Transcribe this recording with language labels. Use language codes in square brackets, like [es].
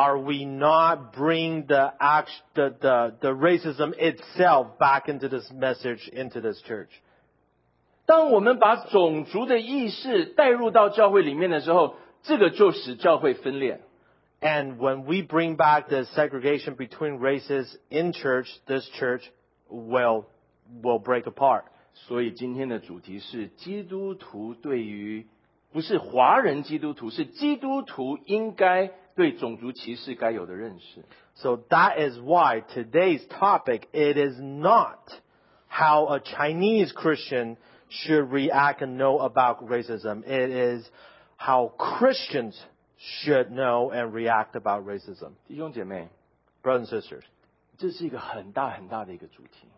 [en] Are we not bring the racism itself back into this message into this church? [zh] 当我们把种族的意识带入到教会里面的时候， [en] And when we bring back the segregation between races in church, this church will break apart. [zh] 所以今天的主题是基督徒对于，不是华人基督徒，是基督徒应该对种族歧视该有的认识。 [en] So that is why today's topic, it is not how a Chinese Christian should react and know about racism. It is how Christians should know and react about racism. [zh] 弟兄姐妹, [en] brothers and sisters, [zh] 这是一个很大很大的一个主题。